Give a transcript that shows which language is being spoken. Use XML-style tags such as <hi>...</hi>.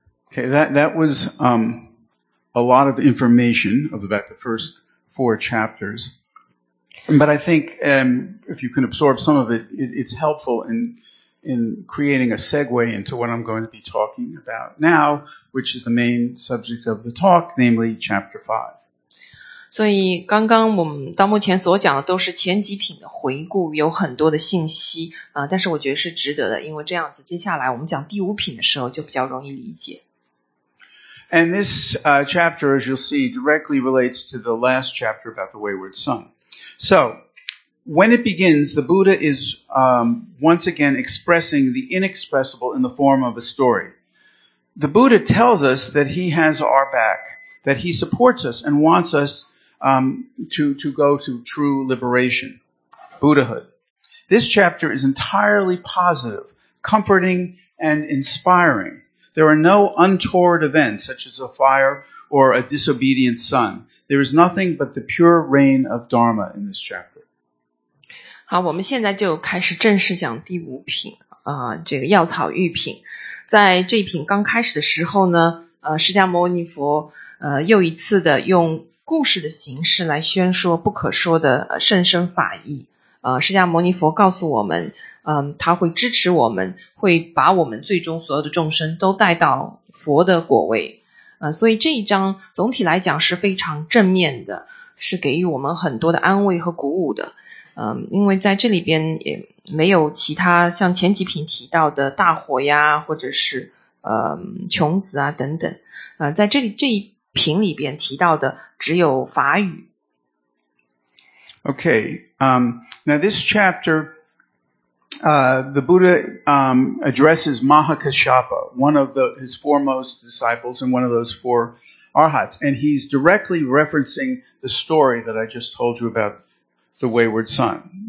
<en>Okay, that was a lot of information of about the first four chapters. But I think if you can absorb some of it's helpful in creating a segue into what I'm going to be talking about now, which is the main subject of the talk, namely chapter 5.</en> <zh>所以刚刚我们到目前所讲的都是前几品的回顾，有很多的信息但是我觉得是值得的，因为这样子接下来我们讲第五品的时候就比较容易理解。</zh> <en>And this chapter, as you'll see, directly relates to the last chapter about the wayward son. So, when it begins, the Buddha is once again expressing the inexpressible in the form of a story. The Buddha tells us that he has our back. That he supports us and wants us to go to true liberation, Buddhahood. This chapter is entirely positive, comforting, and inspiring. There are no untoward events such as a fire or a disobedient son. There is nothing but the pure reign of Dharma in this chapter.</en> <zh>好，我们现在就开始正式讲第五品这个药草御品。在这一品刚开始的时候呢，释迦牟尼佛又一次的用故事的形式来宣说不可说的甚深法义。释迦牟尼佛告诉我们，他会支持我们，会把我们最终所有的众生都带到佛的果位。所以这一章总体来讲是非常正面的，是给予我们很多的安慰和鼓舞的。因为在这里边也没有其他像前几品提到的大火呀，或者是穷子啊等等。在这里这一品里边提到的只有法语。</zh> <en>Okay, now this chapter, the Buddha addresses Mahakashyapa, one of his foremost disciples and one of those four arhats, and he's directly referencing the story that I just told you about the wayward son.</en>